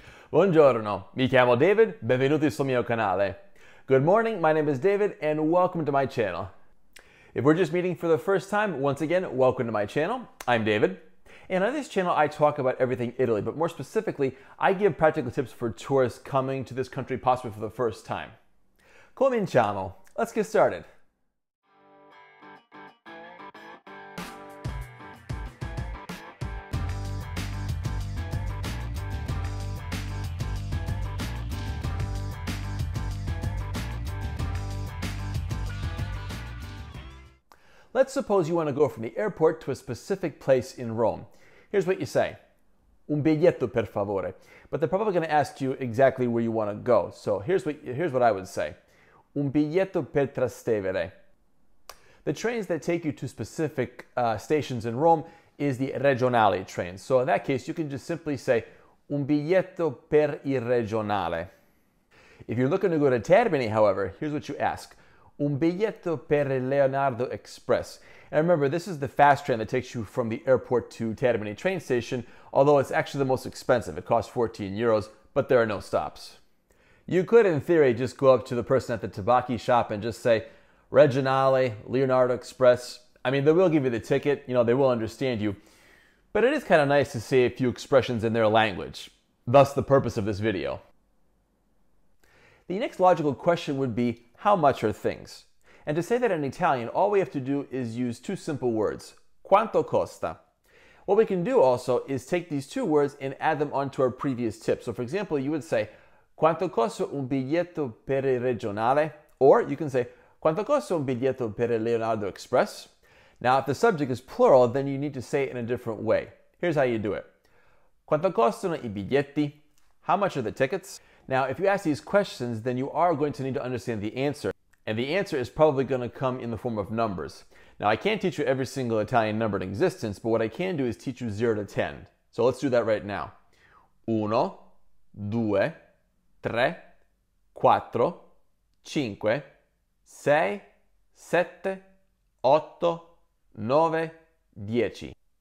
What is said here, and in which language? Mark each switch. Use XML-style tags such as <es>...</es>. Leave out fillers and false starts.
<it>Buongiorno, mi chiamo David, benvenuti sul mio canale.</it> <en>Good morning, my name is David, and welcome to my channel. If we're just meeting for the first time, once again, welcome to my channel. I'm David. And on this channel, I talk about everything Italy, but more specifically, I give practical tips for tourists coming to this country, possibly for the first time. Cominciamo. Let's get started. Let's suppose you want to go from the airport to a specific place in Rome. Here's what you say.</en> <it>Un biglietto, per favore.</it> <en>But they're probably going to ask you exactly where you want to go. So here's what I would say.</en> <it>Un biglietto per Trastevere.</it> <en>The trains that take you to specific stations in Rome is the regionale trains. So in that case, you can just simply say</en> <it>un biglietto per il regionale.</it> <en>If you're looking to go to Termini, however, here's what you ask.</en> <it>Un biglietto per il Leonardo Express.</it> <en>And remember, this is the fast train that takes you from the airport to Termini train station, although it's actually the most expensive. It costs 14 euros, but there are no stops. You could, in theory, just go up to the person at the tabacchi shop and just say, Regionale, Leonardo Express. I mean, they will give you the ticket, you know, they will understand you. But it is kind of nice to say a few expressions in their language. Thus the purpose of this video. The next logical question would be, how much are things? And to say that in Italian, all we have to do is use two simple words,</en> <it>quanto costa.</it> <en>What we can do also is take these two words and add them onto our previous tip. So for example, you would say,</en> <it>quanto costa un biglietto per il regionale?</it> <en>Or you can say,</en> <it>quanto costa un biglietto per il Leonardo Express?</it> <en>Now, if the subject is plural, then you need to say it in a different way. Here's how you do it.</en> <it>Quanto costano i biglietti?</it> <en>How much are the tickets? Now, if you ask these questions, then you are going to need to understand the answer. And the answer is probably going to come in the form of numbers. Now, I can't teach you every single Italian number in existence, but what I can do is teach you 0 to 10. So let's do that right now.</en> <it>Uno, due, tre, quattro, cinque, sei, sette, otto, nove, dieci.</it>